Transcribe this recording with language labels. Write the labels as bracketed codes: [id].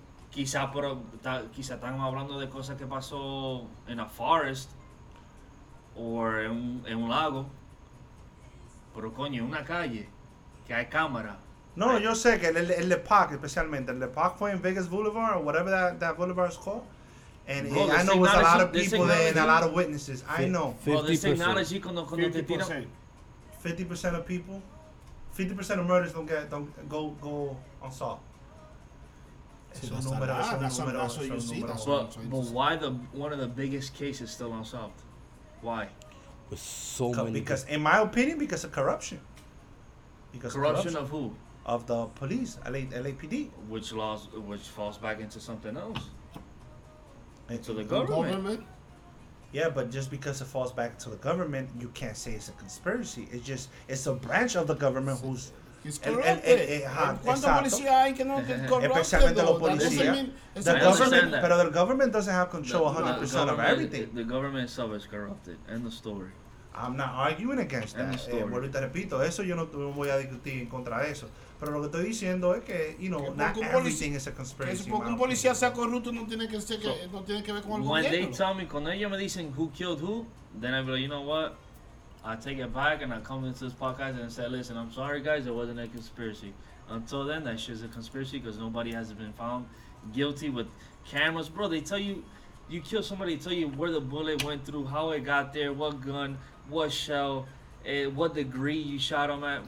[es] Quizá están hablando de cosas que pasó en [en] a forest. [es] O en un lago. Pero coño, en una calle. Que hay cámara. No, yo sé que el Le Parc, especialmente. El Le Parc fue en Vegas Boulevard, o [en] whatever that boulevard is called. And bro, I know there's a lot of people there and a lot of witnesses. I know. 50% of people, 50% of murders don't get go unsolved. But why one of the biggest cases still unsolved? Why? with so many. Because, in my opinion, because of corruption. Because corruption of who? Of the police, LAPD. Which laws? Which falls back into something else. Into the government. Yeah, but just because it falls back to the government, you can't say it's a conspiracy. It's just, it's a branch of the government who's... It's corrupted. [es] Cuando policía hay que no corrupted. [en] That doesn't mean... But the government doesn't have control 100% of everything. The government itself is corrupted. End of story. I'm not arguing against that. [es] Vuelvo y te repito, eso yo no voy a discutir en contra de eso. Pero lo que estoy diciendo es que, [en] you know, not everything is a conspiracy. [es] Que supongo que un policía sea corrupto no tiene que ser que no tiene que ver con algo. [en] When they tell me, [es] cuando ellos me dicen [en] who killed who, then I be like, you know what? I take it back and I come into this podcast and say, listen, I'm sorry guys, it wasn't a conspiracy. Until then, that shit's a conspiracy because nobody has been found guilty with cameras. Bro, they tell you, you kill somebody, they tell you where the bullet went through, how it got there, what gun, what shell, what degree you shot him at.